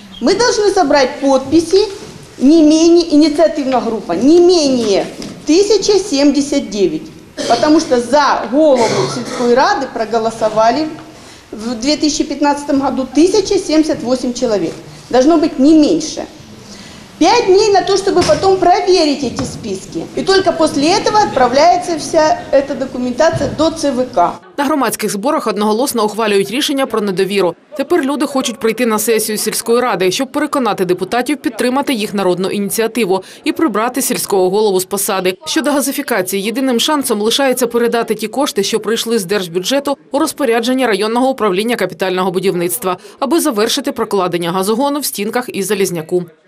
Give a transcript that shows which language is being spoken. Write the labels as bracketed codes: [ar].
[uk] Ми повинні зібрати підписи, не менше ініціативна група, не менше 1079, [ru] потому что за голову сельской рады проголосовали в 2015 году 1078 человек. Должно быть не меньше. 5 дней на то, чтобы потом проверить эти списки. И только после этого отправляется вся эта документация до ЦВК. [uk] На громадських зборах одноголосно ухвалюють рішення про недовіру. Тепер люди хочуть прийти на сесію сільської ради, щоб переконати депутатів підтримати їх народну ініціативу і прибрати сільського голову з посади. Щодо газифікації, єдиним шансом лишається передати ті кошти, що прийшли з держбюджету, у розпорядження районного управління капітального будівництва, аби завершити прокладення газогону в Стінках і Залізняку.